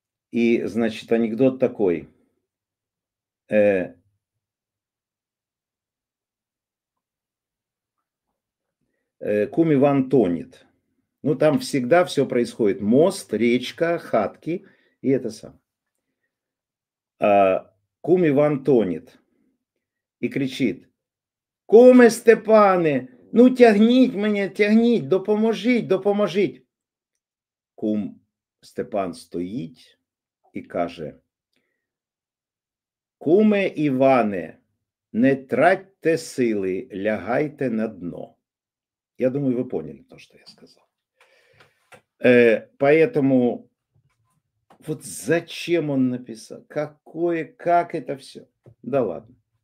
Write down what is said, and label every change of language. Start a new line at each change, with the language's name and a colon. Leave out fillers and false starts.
Russian: И, значит, анекдот такой. Куми Ван тонет. Ну, там всегда все происходит. Мост, речка, хатки и это самое. Куми Ван тонет и кричить:
Ukrainian: «Куми Степане, ну тягніть мене, тягніть, допоможіть, допоможіть!» Кум Степан стоїть і каже: «Куме Іване, не тратьте сили, лягайте на дно». Я думаю, ви поняли то, що я сказав.
Russian: Поэтому вот зачем он написал, какое, как это все? Да ладно.